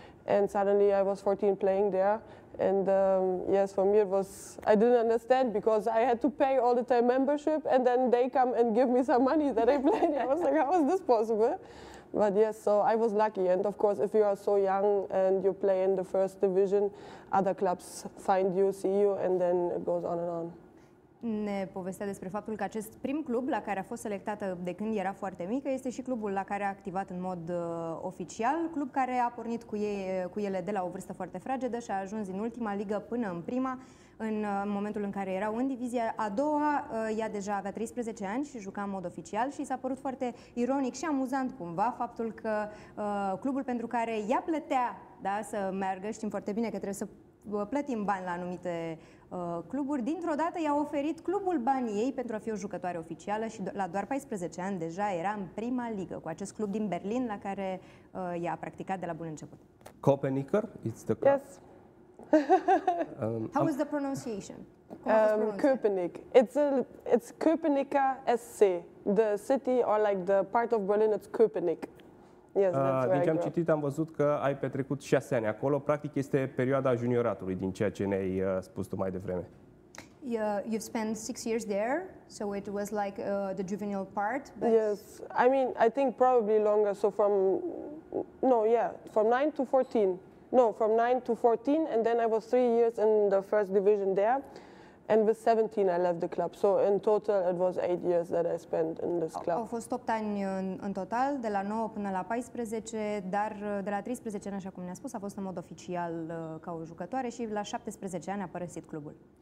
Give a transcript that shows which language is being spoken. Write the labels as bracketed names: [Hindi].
[English] And suddenly I was 14 playing there. And yes, for me it was, I didn't understand because I had to pay all the time membership and then they come and give me some money that I played. I was like, how is this possible? But yes, so I was lucky. And of course, if you are so young and you play in the first division, other clubs find you, see you, and then it goes on and on. [Romanian] Ne povestea despre faptul că acest prim club la care a fost selectată de când era foarte mică este și clubul la care a activat în mod oficial, club care a pornit cu ele de la o vârstă foarte fragedă și a ajuns din ultima ligă până în prima. În momentul în care erau în divizia a doua, ea deja avea 13 ani și juca în mod oficial și s-a părut foarte ironic și amuzant cumva faptul că clubul pentru care ea plătea, da, să meargă, știm foarte bine că trebuie să plătim bani la anumite cluburi, dintr-o dată i-a oferit clubul banii ei pentru a fi o jucătoare oficială și la doar 14 ani deja era în prima ligă cu acest club din Berlin la care i-a practicat de la bun început. [English] Kopenicker, it's the club. Yes. How is the pronunciation? Köpenick. It's Köpenicker SC. The city or like the part of Berlin, it's Köpenick. Yes, [Romanian] din ce am citit, am văzut că ai petrecut 6 ani acolo. Practic, este perioada junioratului, din ceea ce ne-ai spus tu mai devreme. [English] Yeah, you've spent 6 years there, so it was like the juvenile part. But yes, I mean, I think probably longer. So from 9 to 14. No, from 9 to 14, and then I was 3 years in the first division there. And with 17 I left the club. So in total it was 8 years that I spent in this club. [Romanian] Au fost 8 ani în total, de la 9 până la 14, dar de la 13 ani, așa cum ne-a spus, a fost în mod oficial ca o jucătoare și la 17 ani a părăsit clubul.